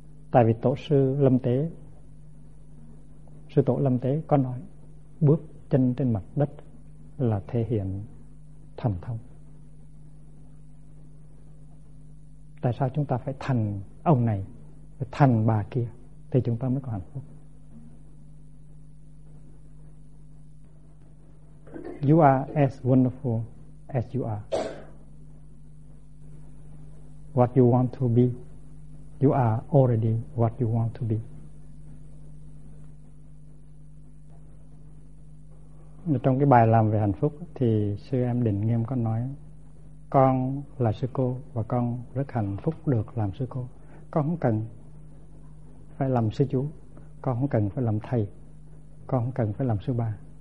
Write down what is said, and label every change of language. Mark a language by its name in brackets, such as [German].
[Vietnamese] Tại vì tổ sư Lâm Tế, sư tổ Lâm Tế có nói bước chân trên mặt đất là thể hiện thần thông. Tại sao chúng ta phải thành ông này, phải thành bà kia thì chúng ta mới có hạnh phúc? [English] You are as wonderful as you are. What you want to be, you are already what you want to be. [Vietnamese] Trong cái bài làm về hạnh phúc thì sư em Định Nghiêm có nói: con là sư cô và con rất hạnh phúc được làm sư cô. Con không cần phải làm sư chú, con không cần phải làm thầy, con không cần phải làm sư bà.